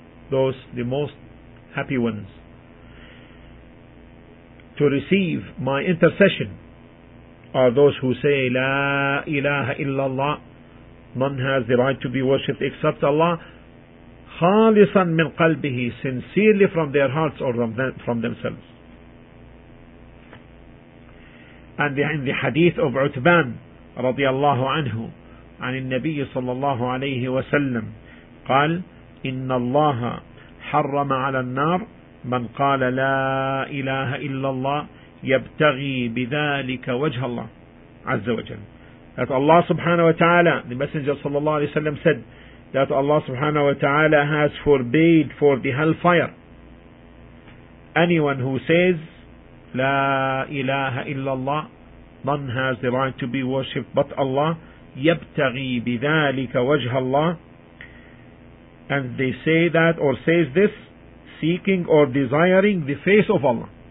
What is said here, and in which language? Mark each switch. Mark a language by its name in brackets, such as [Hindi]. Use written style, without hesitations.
[English] Those the most happy ones to receive my intercession are those who say [Arabic] لا إله إلا الله, [English] none has the right to be worshipped except Allah, [Arabic] خالصاً من قلبه, [English] sincerely from their hearts or from themselves. And in the hadith of Uthman [Arabic] رضي الله عنه عن النبي صلى الله عليه وسلم قال إن الله حرم على النار من قال لا إله إلا الله يبتغي بذلك وجه الله عز وجل. [English] That Allah subhanahu wa ta'ala, the Messenger صلى الله عليه وسلم said that Allah subhanahu wa ta'ala has forbade for the hellfire anyone who says [Arabic] La ilaha illallah, [English] none has the right to be worshipped but Allah, [Arabic] يَبْتَغِي بِذَٰلِكَ وَجْهَ اللَّهِ, [English] and they say that or says this seeking or desiring the face of Allah.